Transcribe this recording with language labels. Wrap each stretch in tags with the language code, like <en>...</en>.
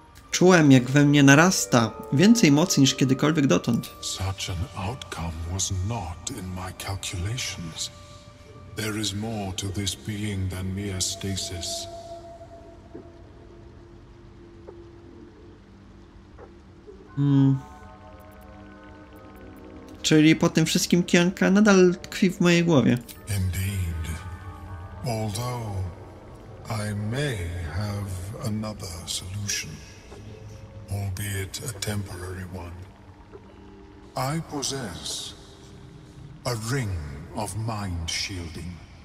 <pl>Czułem, jak we mnie narasta więcej mocy niż kiedykolwiek dotąd.</pl> <en>Such an outcome was not in my calculations. There is more to this being than mere stasis.</en> <pl>Czyli po tym wszystkim Kianka nadal tkwi w mojej głowie.</pl> <en>Indeed. Although I may have another solution. Albeit a temporary one. I possess a ring of mind shielding.</en>